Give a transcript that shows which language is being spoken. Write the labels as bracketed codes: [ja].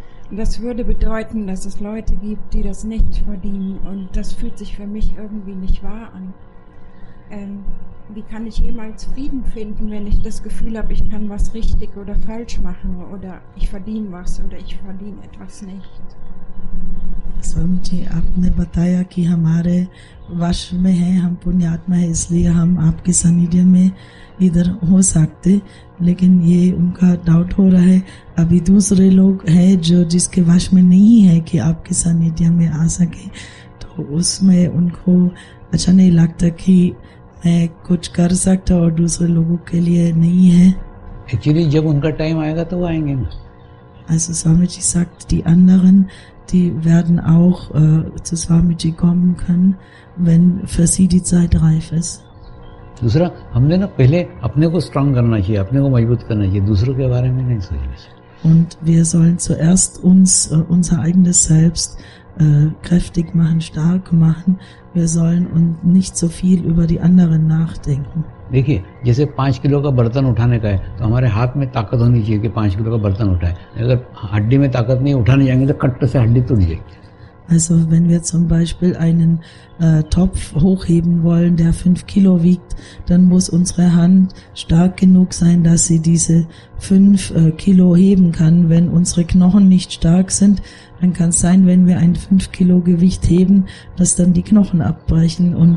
[de] Das würde bedeuten, dass es Leute gibt, die das nicht verdienen. Und das fühlt sich für mich irgendwie nicht wahr an. Wie kann ich jemals Frieden finden, wenn ich das Gefühl habe, ich kann was richtig oder falsch machen oder ich verdiene was oder ich verdiene etwas nicht? [hi] Swamiji, आपने बताया कि हमारे वश में है, हम पुण्यात्मा है, इसलिए हम आपके सानिध्य में इधर हो सकते, लेकिन ये उनका डाउट हो रहा है. अभी दूसरे लोग हैं जो जिसके वश में नहीं है कि आपके सानिध्य में आ सके, तो उसमें उनको अच्छा नहीं लगता कि मैं कुछ कर सकता और दूसरे लोगों के लिए नहीं है. एक्चुअली जब उनका टाइम आएगा तो वो आएंगे. [de] Also Swamiji sagt, die anderen, die werden auch zu Swamiji kommen können, wenn für sie die Zeit reif ist. [hi] दूसरा, हमने ना पहले अपने को स्ट्रांग करना चाहिए, अपने को मजबूत करना चाहिए, दूसरों के बारे में नहीं सोचना चाहिए. [de] Und wir sollen zuerst uns unser eigenes Selbst kräftig machen, stark machen. Wir sollen und nicht so viel über die anderen nachdenken. [hi] देखिए, जैसे 5 किलो का बर्तन उठाने का है, तो हमारे हाथ में ताकत होनी चाहिए कि 5 किलो का बर्तन उठाए. अगर हड्डी में ताकत नहीं, उठाने जाएंगे तो कट्टे से हड्डी टूट जाएगी. [de] Also wenn wir zum Beispiel einen Topf hochheben wollen, der 5 Kilo wiegt, dann muss unsere Hand stark genug sein, dass sie diese 5 Kilo heben kann. Wenn unsere Knochen nicht stark sind, dann kann es sein, wenn wir ein 5 Kilo Gewicht heben, dass dann die Knochen abbrechen.